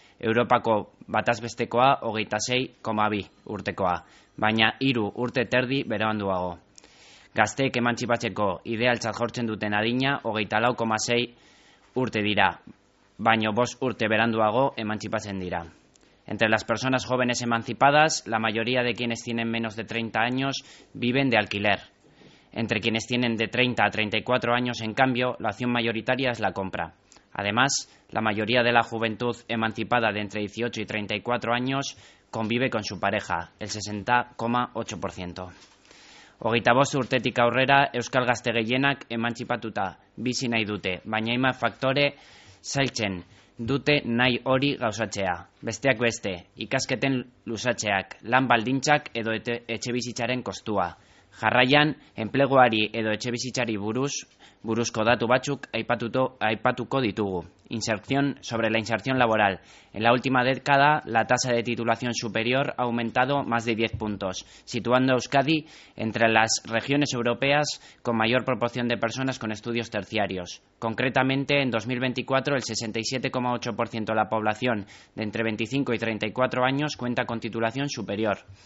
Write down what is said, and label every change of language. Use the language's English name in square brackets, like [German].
[Basque] Europako batez bestekoa 26,2 urtekoa, baina 3 urte eta erdi beranduago. Gazteek emantzipatzeko idealtzat jortzen duten adina 24,6 urte dira, baino 5 urte beranduago emantzipatzen dira. [Spanish] Entre las personas jóvenes emancipadas, la mayoría de quienes tienen menos de 30 años viven de alquiler. Entre quienes tienen de 30 a 34 años, en cambio, la opción mayoritaria es la compra. Además, la mayoría de la juventud emancipada de entre 18 y 34 años convive con su pareja, el 60,8%. [Basque] 25 urtetik aurrera, euskal gazte gehienak emantzipatuta bizi nahi dute, baina hainbat faktore zailtzen dute nahi hori gauzatzea. Besteak beste, ikasketen luzatzeak, lan baldintzak edo etxe bizitzaren kostua. Jarraian, enpleguari edo etxe bizitzari buruz buruzko datu batzuk aipatuko ditugu. [Spanish] Inserción sobre la inserción laboral. En la última década, la tasa de titulación superior ha aumentado más de 10 puntos, situando a Euskadi entre las regiones europeas con mayor proporción de personas con estudios terciarios. Concretamente, en 2024, el 67,8% de la población de entre 25 y 34 años cuenta con titulación superior.